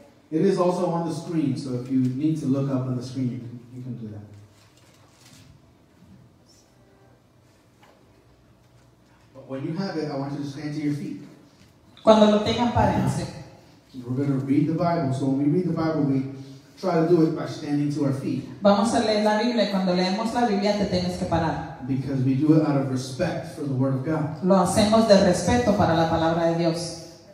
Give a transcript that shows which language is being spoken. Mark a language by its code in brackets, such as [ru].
[en] It is also on the screen, so if you need to look up on the screen, you can do that. But when you have it, I want you to stand to your feet. [es] Cuando lo tengan, párense. [en] We're going to read the Bible. So when we read the Bible, we try to do it by standing to our feet. [es] Vamos a leer la Biblia. Cuando leemos la Biblia, te tienes que parar. [en] Because we do it out of respect for the Word of God. [es] Lo hacemos de respeto para la palabra de Dios.